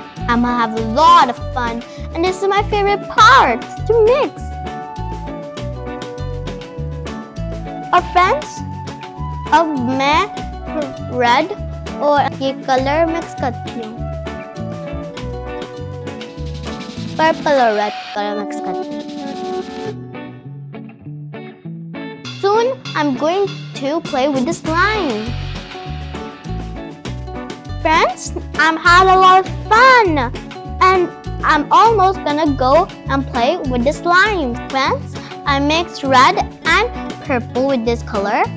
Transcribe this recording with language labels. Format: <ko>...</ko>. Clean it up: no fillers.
<en>I'm gonna have a lot of fun and this is my favorite part to mix.</en> <hi>और friends अब मैं red और ये colour mix करती हूँ, पर्पल और रेड कलर मिक्स करती।</hi> <en>Soon I'm going to play with the slime. Friends, I'm having a lot of fun and I'm almost gonna go and play with the slime. Friends, I mixed red and purple with this color.</en>